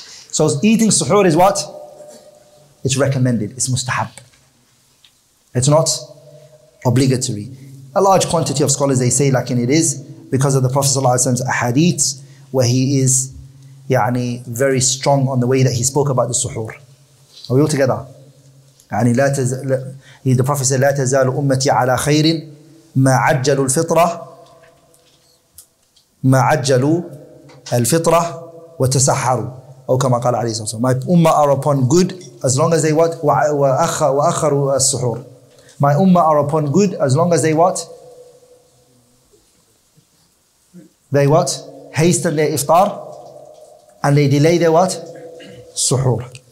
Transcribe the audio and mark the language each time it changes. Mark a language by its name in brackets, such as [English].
[English] So eating suhoor is what? It's recommended, it's mustahab. It's not obligatory. A large quantity of scholars, they say like in it is, because of the Prophet Sallallahu Alaihi Wasallam's hadith, where he is يعني very strong on the way that he spoke about the suhoor. Are we all together? [Arabic] يعني لا تزال, [English] the Prophet said, [Arabic] لا تزال أمتي على خير ما عجلوا الفطرة ما عجلوا الفطرة وتسحروا. أو كما قال عليه الصلاة والسلام. [English] My ummah are upon good as long as they what? [Arabic] وأخروا السحور. [English] My ummah are upon good as long as they what? They what? Hasten their iftar. And they delay their what? Suhoor.